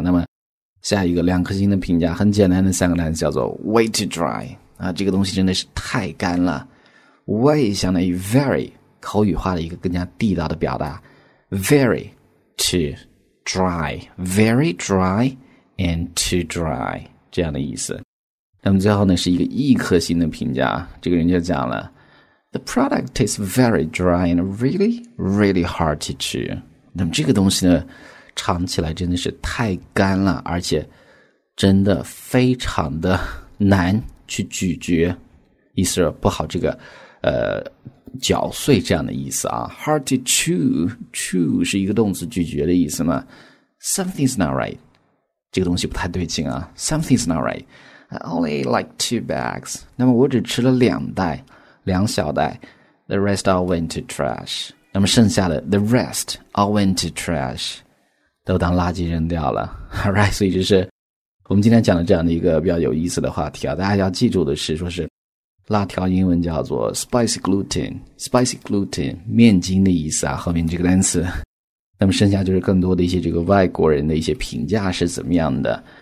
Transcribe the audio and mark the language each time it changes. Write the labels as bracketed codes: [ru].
[zh] 那么下一个2颗星的评价，很简单的3个单词，叫做 [en] way too dry [zh] 啊，这个东西真的是太干了。 way 相当于 very， 口语化的一个更加地道的表达， very too dry， very dry and too dry， 这样的意思。那么最后呢，是一个1颗星的评价，这个人就讲了 [en] The product tastes very dry and really really hard to chew。 [zh] 那么这个东西呢尝起来真的是太干了，而且真的非常的难去咀嚼，意思是不好这个嚼碎，这样的意思啊。 hard to chew， chew 是一个动词，咀嚼的意思嘛。 [en] Something's not right， [zh] 这个东西不太对劲啊。 [en] Something's not right， I only like 2 bags， [zh] 那么我只吃了2小袋， [en] The rest all went to trash， [zh] 那么剩下的 [en] The rest all went to trash， [zh] 都当垃圾扔掉了。 [en] All right, [zh] 所以就是我们今天讲的这样的一个比较有意思的话题啊，大家要记住的是说是辣条英文叫做 spicy gluten, 面筋的意思啊，后面这个单词。那么剩下就是更多的一些这个外国人的一些评价是怎么样的。